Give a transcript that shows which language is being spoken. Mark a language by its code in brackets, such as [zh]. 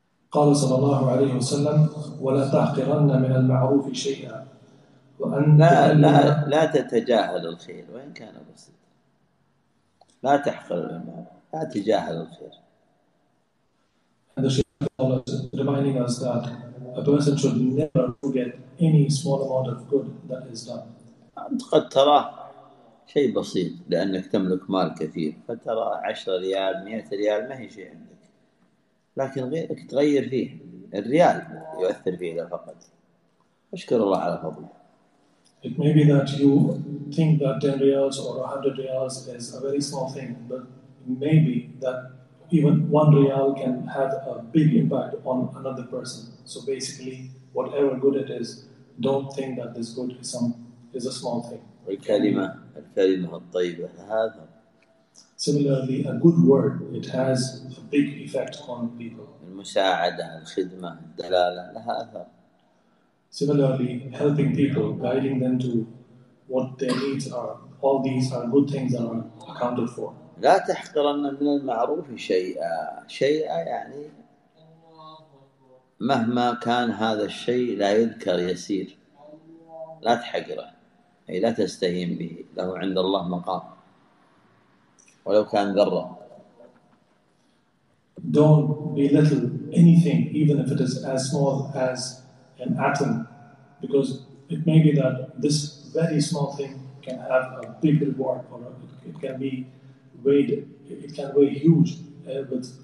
[ar] قال صلى الله عليه وسلم ولا تحقرن من المعروف شيئا وأن لا لا لا تتجاهل الخير وإن كان بسيط. لا تحقر المعروف. لا تجاهل الخير. [en] And the Shaykh is reminding us that a person should never forget any small amount of good that is done. [ar] أنت قد ترى شيء بسيط لأنك تملك مال كثير فترى 10 ريال 100 ريال ما هي شيء عندك لكن غيرك تغير فيه الريال يؤثر فيه إذا فقد أشكر الله على فضله. [en] It may be that you think that 10 riyals or 100 riyals is a very small thing, but maybe that even 1 riyal can have a big impact on another person. So basically, whatever good it is, don't think that this good is a small thing. [ar] الكلمة الطيبة هذا. [en] Similarly, a good word, it has a big effect on people. [ar] المساعدة، الخدمة، الدلالة لها أثر. [en] Similarly, helping people, guiding them to what their needs are. All these are good things that are accounted for. [ar] لا تحقرن من المعروف شيئا شيئا يعني مهما كان هذا الشيء لا يذكر يسير لا تحقره أي لا تستهين به له عند الله مقام ولو كان ذرة. [en] Don't belittle anything even if it is as small as an atom because it may be that this very small thing can have a big reward or it can be weighed, it can weigh huge with